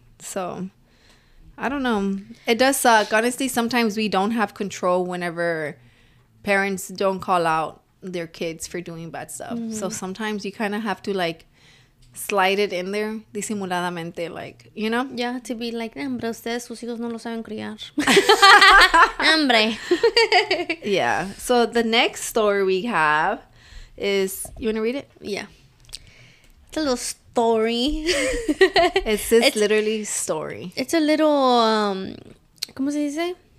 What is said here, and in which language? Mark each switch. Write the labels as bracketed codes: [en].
[en] So I don't know. It does suck. Honestly, sometimes we don't have control whenever parents don't call out their kids for doing bad stuff. Mm-hmm. So sometimes you kind of have to, like, slide it in there, [es] disimuladamente, [en] like, you know? Yeah, to be like, [es] hombre, ustedes, sus hijos no lo saben criar. Hombre. [en] Yeah. So the next story we have is, you want to read it? Yeah. It's a little story. It's just literally story. It's a little, [es] ¿cómo se dice?